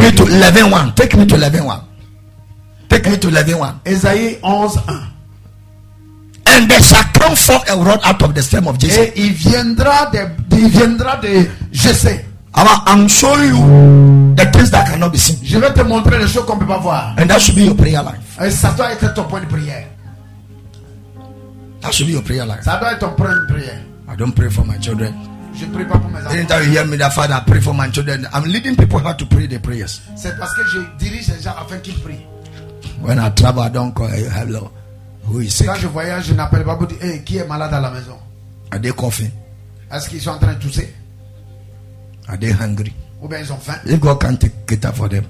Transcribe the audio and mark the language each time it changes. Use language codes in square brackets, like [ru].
[en] Me to 11, 1. Take me to 11:1. Take me to 11:1. [fr] Esaïe 11:1. [en] And there shall come forth a rod out of the stem of Jesse. [fr] Et il viendra de Jesse. [en] I'm showing you the things that cannot be seen. [fr] Je vais te montrer les choses qu'on peut pas voir. [en] And that should be your prayer life. [fr] Et ça doit être ton point de prière. [en] That should be your prayer life. [fr] Ça doit être ton point de prière. [en] I don't pray for my children. [fr] Je prie pas pour mes enfants. [en] Anytime you hear me, that Father, I pray for my children. I'm leading people how to pray their prayers. [fr] C'est parce que je dirige les gens afin qu'ils prient. [en] When I travel, I don't call hello. Who is sick? [fr] Quand je voyage, je n'appelle pas pour dire hey, qui est malade à la maison. [en] Are they coughing? [fr] Est-ce qu'ils sont en train de tousser? [en] Are they hungry? [fr] Ou bien ils ont faim? [en] If God can't take care for them,